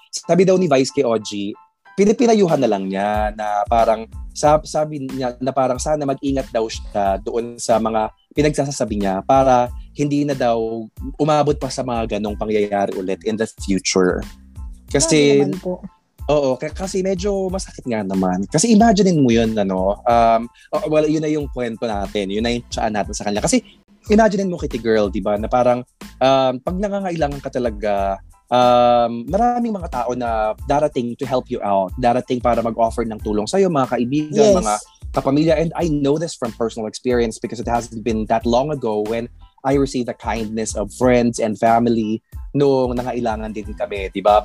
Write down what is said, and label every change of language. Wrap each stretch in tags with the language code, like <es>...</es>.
<tl>Sabi daw ni Vice kay OG, pinipinayuhan na lang niya na parang, sabi niya na parang sana mag-ingat daw siya doon sa mga pinagsasabi niya para hindi na daw umabot pa sa mga ganong pangyayari ulit in the future. Kasi, kasi medyo masakit nga naman. Kasi imaginein mo yun, ano, well, yun na yung kwento natin. Yun na yung tsaan natin sa kanila. Kasi imaginein mo, Kitty Girl, diba, na parang pag nangangailangan ka talaga, maraming mga tao na darating</tl> <en>to help you out.</en> <tl>Darating para mag-offer ng tulong sa'yo, mga kaibigan, yes, mga kapamilya.</tl> <en>And I know this from personal experience because it hasn't been that long ago when I received the kindness of friends and family</en> <tl>noong nangailangan din kami, diba?</tl>